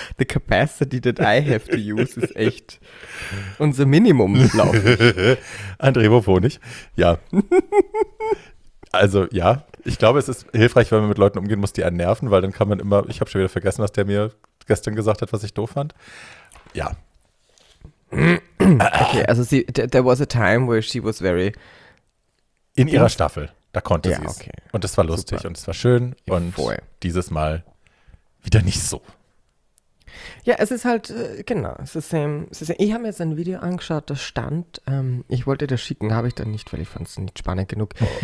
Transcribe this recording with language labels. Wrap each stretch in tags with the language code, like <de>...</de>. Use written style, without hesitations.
<en>The capacity that I have to use</en> <de>ist echt unser Minimum, glaube ich. André, wo wohne ich? Ja. Also ja, ich glaube, es ist hilfreich, wenn man mit Leuten umgehen muss, die einen nerven, weil dann kann man immer, ich habe schon wieder vergessen, was der mir gestern gesagt hat, was ich doof fand. Ja.</de> <en>Okay, also there was a time where she was very...</en> <de>In ihrer Staffel. Da konnte sie es. Okay. Und es war lustig. Super. Und es war schön. Und dieses Mal wieder nicht so. Ja, es ist halt, genau. Es ist, ich habe mir jetzt ein Video angeschaut, das stand. Ich wollte das schicken, habe ich dann nicht, weil ich fand es nicht spannend genug.</de>